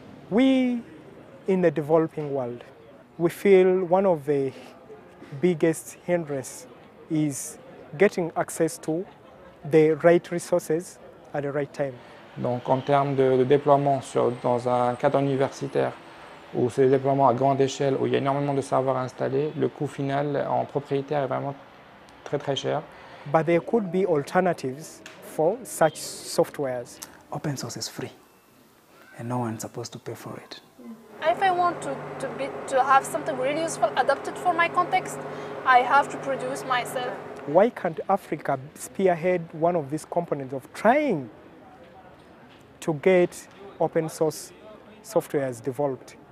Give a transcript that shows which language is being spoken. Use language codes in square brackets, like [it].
[en] We, in the developing world, we feel one of the biggest hindrances is getting access to the right resources at the right time. [fr] Donc en termes de déploiement sur, dans un cadre universitaire où c'est des déploiements à grande échelle, où il y a énormément de serveurs installés, le coût final en propriétaire est vraiment très très cher. [en] But there could be alternatives for such softwares. Open source is free and no one's supposed to pay for it. If I want to have something really useful adapted for my context, I have to produce myself. Why can't Africa spearhead one of these components of trying to get open source softwares developed?